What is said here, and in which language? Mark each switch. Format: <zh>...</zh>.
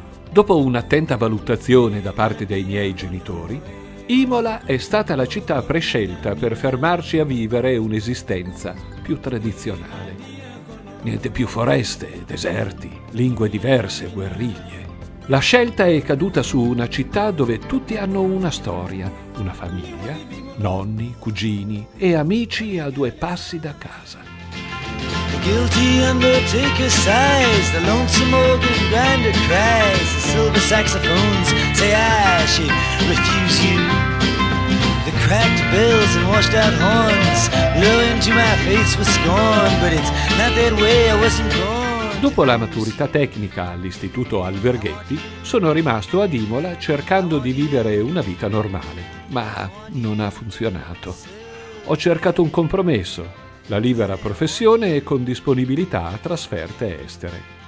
<it>Dopo un'attenta valutazione da parte dei miei genitori, Imola è stata la città prescelta per fermarci a vivere un'esistenza più tradizionale. Niente più foreste, deserti, lingue diverse, guerriglie. La scelta è caduta su una città dove tutti hanno una storia, una famiglia, nonni, cugini e amici a due passi da casa.</it> <en>Guilty undertaker sighs, the lonesome organ grinder cries, the silver saxophones say I should refuse you. The cracked bells and washed out horns blow into my face with scorn, but it's not that way I wasn't born.</en> <it>Dopo la maturità tecnica all'Istituto Alberghetti, sono rimasto ad Imola cercando di vivere una vita normale, ma non ha funzionato. Ho cercato un compromesso, la libera professione e con disponibilità a trasferte estere.</it>